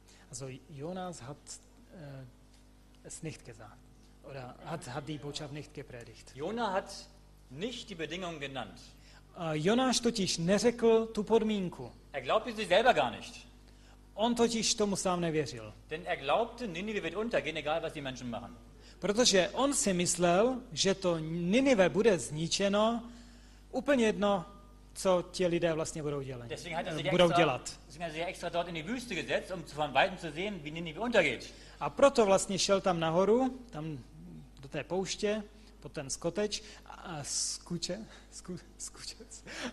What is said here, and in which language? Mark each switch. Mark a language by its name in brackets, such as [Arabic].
[German] Also Jonas hat es nicht gesagt oder hat die Botschaft nicht gepredigt. Jonas hat nicht die Bedingung genannt. [Czech] Jonas totiž neřekl tu podmínku. [German] Er glaubte sich selber gar nicht. [Czech] On totiž tomu sám nevěřil. [German] Denn er glaubte, Ninive wird untergehen, egal was die Menschen machen. [Czech] Protože on si myslel, že to Ninive bude zničeno, úplně jedno, co ti lidé vlastně budou dělat. [German] Deswegen hat er sich extra dort in die Wüste gesetzt, um von weitem zu sehen, wie Ninive untergeht. [Czech] A proto vlastně šel tam nahoru, tam do té pouště, pod ten skoteč a skučec.